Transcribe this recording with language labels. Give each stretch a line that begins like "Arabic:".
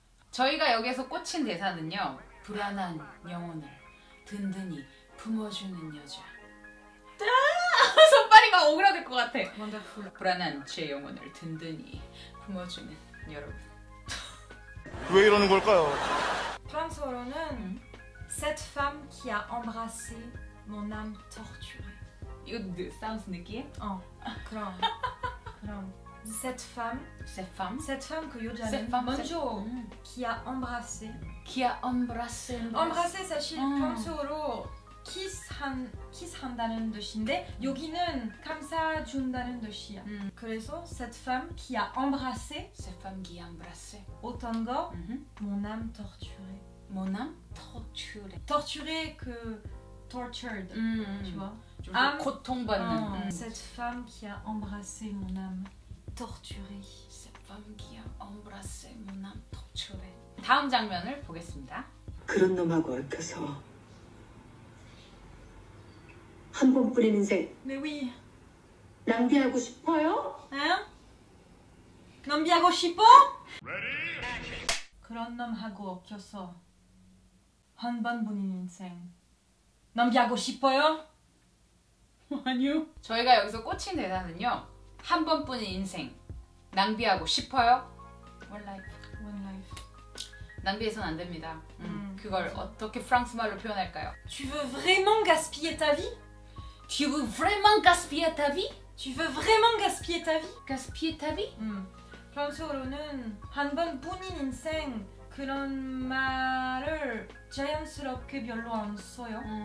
Korean: 저희가 여기서 꽂힌 대사는요, 불안한 영혼을 든든히 품어주는 여자. 손발이 막 오그라들 것 같아. 원더풀. 불안한 제 영혼을 든든히 품어주는 여러분. 왜 이러는 걸까요? 프랑스어로는
French: Cette femme qui a embrassé mon âme torturée.
Korean: 이거 사운드 느낌? 어, 그럼. 그럼.
French: Cette femme. Cette femme. Cette femme que
Korean: 여자는.
French: Cette femme. Bonjour. Qui a embrassé. Qui a embrassé.
Korean: Embrassé, 사실 프랑스어로 키스한다는 뜻인데 여기는 감싸준다는 뜻이야.
French: 그래서 cette femme qui a embrassé. Cette femme qui a embrassé.
Korean: 어떤 거?
French: Mon âme torturée. Mon âme torturée. Torturée que tortured.
Korean: 응. 좋아. 좀 고통받는.
French: Cette femme qui a embrassé mon âme torturée. Cette femme qui a embrassé mon âme torturée.
Korean: 다음 장면을 보겠습니다. 그런 놈하고 얽혀서 한 번뿐인 인생.
French: Mais oui.
Korean: 낭비하고 싶어요? 응? 낭비하고 싶어? Ready? 그런 놈하고 엮여서 한 번뿐인 인생. 낭비하고 싶어요? 아니요. 저희가 여기서 꽂힌 대사는요, 한 번뿐인 인생. 낭비하고 싶어요?
English: One life. One life.
Korean: 낭비해서는 안 됩니다. 그걸 어떻게 프랑스 말로 표현할까요?
French: Tu veux vraiment gaspiller ta vie? Tu veux vraiment gaspiller ta vie? Tu veux vraiment gaspiller ta vie? Gaspiller ta vie?
Korean: 프랑스어로는 한 번뿐인 인생 그런 말을 자연스럽게 별로 안 써요.